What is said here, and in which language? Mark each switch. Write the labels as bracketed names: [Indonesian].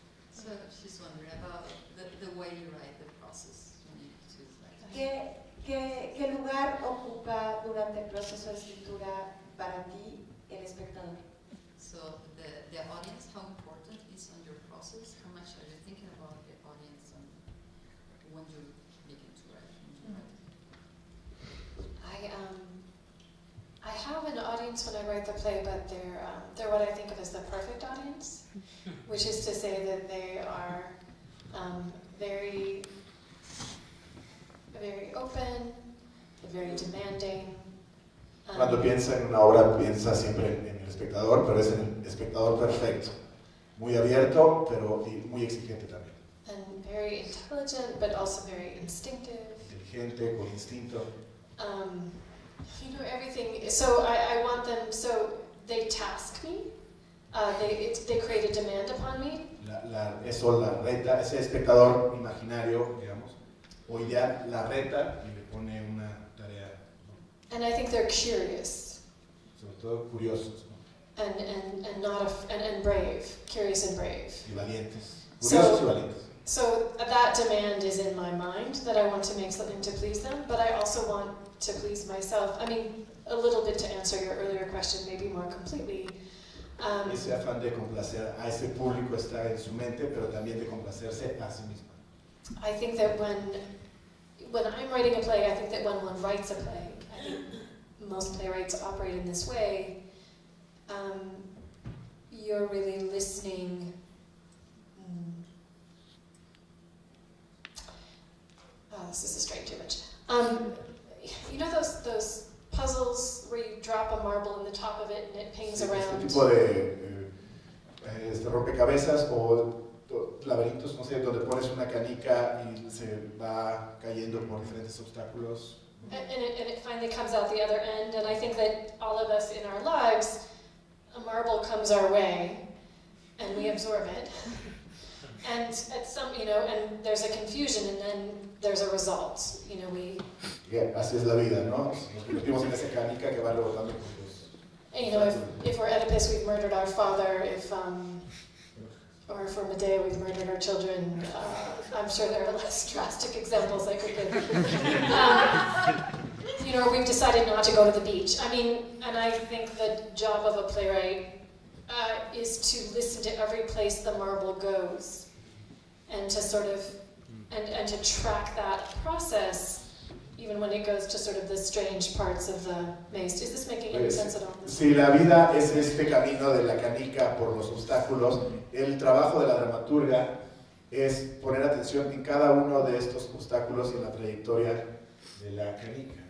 [English] So she's wondering about the way you write, the process when you choose writing. [Spanish] ¿Qué lugar ocupa durante el proceso de escritura para ti el espectador? [English] So the audience, how important is on your process? How much are you thinking about the audience on when you begin to write? I have an audience when I write the play, but they're what I think of as the perfect audience, which is to say that they are very, very open, very demanding. [Spanish] Cuando piensa en una obra, piensa siempre en el espectador, pero es el espectador perfecto, muy abierto, pero muy exigente también. [English] And very intelligent, but also very instinctive. [Spanish] Inteligente, con instinto. [English] You know everything, so I want them, so they task me, they create a demand upon me. [Spanish] La reta, ese espectador imaginario, digamos, o ya la reta y le pone una tarea. [English] And I think they're curious. [Spanish] Sobre todo curiosos. [English] And brave, curious and brave. [Spanish] Y valientes, curiosos y valientes. [English] So that demand is in my mind, that I want to make something to please them, but I also want to please myself. I mean, a little bit to answer your earlier question, maybe more completely. [Spanish] Ese afán de complacer a ese público está en su mente, pero también de complacerse a sí mismo. [English] I think that when I'm writing a play, I think that when one writes a play, I think most playwrights operate in this way, you're really listening. Oh, this is a strange image. You know those puzzles where you drop a marble in the top of it and it pings [Spanish] sí, [English] around? [Spanish] Este tipo de rompecabezas o laberintos, no sé, donde pones una canica y se va cayendo por diferentes obstáculos. [English] And it finally comes out the other end, and I think that all of us in our lives, a marble comes our way, and we absorb it. And at some, you know, and there's a confusion, and then there's a result. You know, we. [Spanish] Yeah, así es la vida, ¿no? Nos convertimos en esa canica que va rebotando con los. [English] You know, if we're Oedipus, we've murdered our father. Or if we're Medea, we've murdered our children. I'm sure there are less drastic examples I could give. You know, we've decided not to go to the beach. I mean, and I think the job of a playwright is to listen to every place the marble goes, and to sort of, and to track that process, even when it goes to sort of the strange parts of the maze. Is this making any sense at all? [Spanish] Si la vida es este camino de la canica por los obstáculos, el trabajo de la dramaturga es poner atención en cada uno de estos obstáculos y en la trayectoria de la canica.